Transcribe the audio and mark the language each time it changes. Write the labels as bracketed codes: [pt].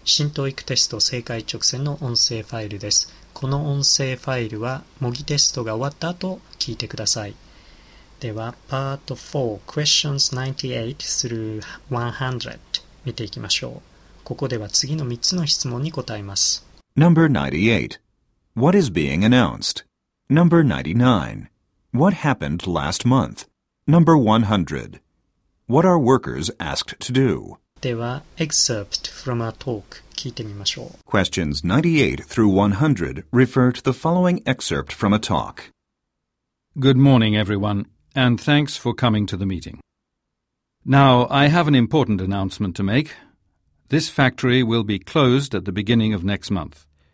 [ja] 新TOEICテスト正解直線の音声ファイルです。この音声ファイルは模擬テストが終わった後聞いてください。ではパート4 [en] Questions 98 through 100 [ja] 見ていきましょう。ここでは次の3つの質問に答えます。 [en] Number 98 What is being announced? Number 99 What happened last month? Number 100 What are workers asked to do? [ja] では、 [en] excerpt from a talk [ja] 聞いてみましょう。 [en] Questions 98 through 100 refer to the following excerpt from a talk. Good morning, everyone, and thanks for coming to the meeting. Now, I have an important announcement to make. This factory will be closed at the beginning of next month.